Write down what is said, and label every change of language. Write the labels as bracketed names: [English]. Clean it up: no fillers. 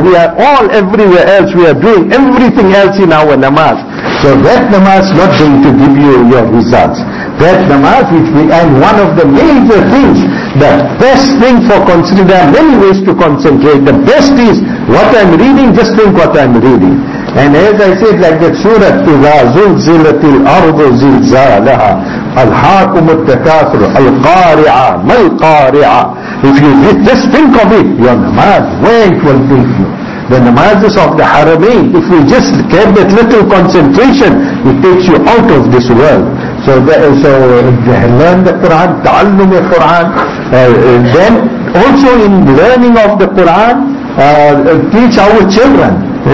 [English] We are all everywhere else. We are doing everything else in our namaz. So that namaz is not going to give you your results. That namaz, which we, and one of the major things, the best thing for concentrating, there are many ways to concentrate. The best is, what I'm reading, just think what I'm reading. And as I said, like that surah, [Arabic] إِذَا زُلْزِلَتِ الْأَرْضُ زِلْزَالَهَا أَلْحَاكُمُ التَّكَاثُرُ الْقَارِعَةُ مَا الْقَارِعَةُ. [English] If you just think of it, your namaz, where it will take you. The namazes of the Haramain, if we just get that little concentration, it takes you out of this world. So that is, learn the Quran, ta'allum the Quran, then also in learning of the Quran, teach our children.